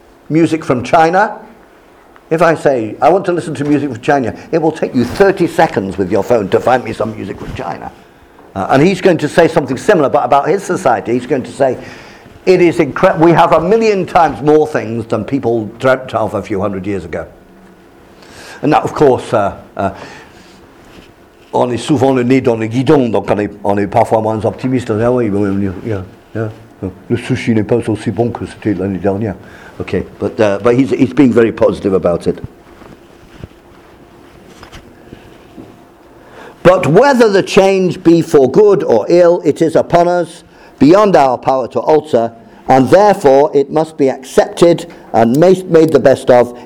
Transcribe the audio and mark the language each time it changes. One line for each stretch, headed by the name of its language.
English: music from China. If I say, I want to listen to music from China, it will take you 30 seconds with your phone to find me some music from China. And he's going to say something similar, but about his society. He's going to say, it is incredible. We have a million times more things than people dreamt of a few hundred years ago. And now, of course,
French: on est souvent le nez dans le guidon, donc on est parfois moins optimiste. Ah oui, oui, oui, oui. Le sushi n'est pas aussi bon que c'était l'année dernière.
English: Okay, but he's being very positive about it. But whether the change be for good or ill, it is upon us, beyond our power to alter, and therefore it must be accepted and made the best of.